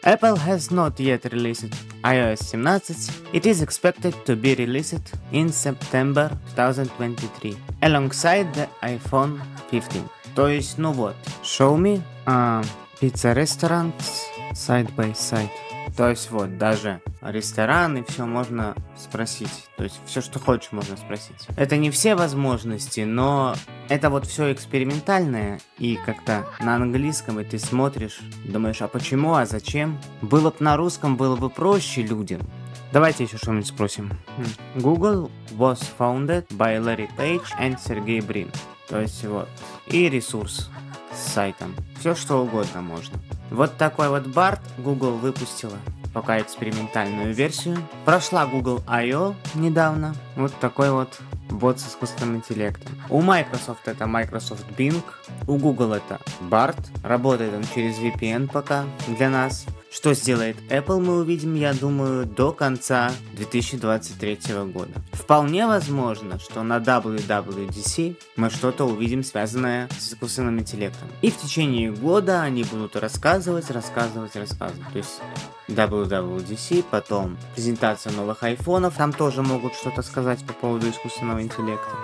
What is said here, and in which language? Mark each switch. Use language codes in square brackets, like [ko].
[en] Apple has not yet released iOS 17. It is expected to be released in September 2023, alongside the iPhone 15. [ru] То есть, ну вот, [en] show me pizza restaurants. Side by side. [ru] То есть вот, даже ресторан и все можно спросить. То есть все, что хочешь, можно спросить. Это не все возможности, но это вот все экспериментальное. И как-то на английском, и ты смотришь, думаешь, а почему, а зачем? Было бы на русском, было бы проще людям. Давайте еще что-нибудь спросим. [en] Google was founded by Larry Page and Sergey Brin. [ru] То есть вот, и ресурс с сайтом. Все, что угодно можно. Вот такой вот Bard Google выпустила, пока экспериментальную версию. Прошла Google I.O. недавно. Вот такой вот бот с искусственным интеллектом. У Microsoft это Microsoft Bing, у Google это Bard. Работает он через VPN пока для нас. Что сделает Apple, мы увидим, я думаю, до конца 2023 года. Вполне возможно, что на WWDC мы что-то увидим, связанное с искусственным интеллектом. И в течение года они будут рассказывать. То есть WWDC, потом презентация новых айфонов, там тоже могут что-то сказать по поводу искусственного интеллекта.